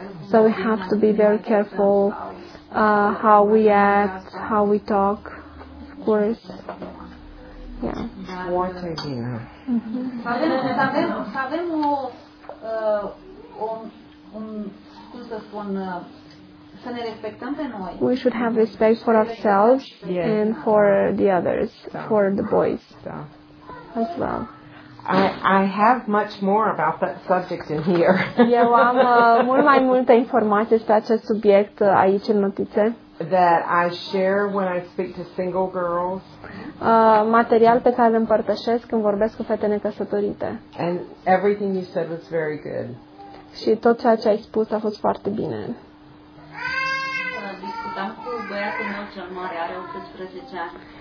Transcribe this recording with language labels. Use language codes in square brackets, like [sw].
[en] So we have to be very careful how we act, how we talk, of course. Yeah. [ro] Foarte bine. Să avem un cum să spun, să ne respectăm pe noi. [en] We should have respect for ourselves yes. and for the others, [ro] da. [en] For the boys [ro] da. [en] As well. I have much more about that subject in here. [ro] Eu am mult mai multă informație despre acest subiect aici în notițe. [en] That I share when I speak to single girls. [ro] Material pe care îl împărtășesc când vorbesc cu fete necăsătorite. [en] And everything you said was very good. [ro] Și tot ceea ce ai spus a fost foarte bine. Discutam cu băiatul meu cel mare, are 18 ani.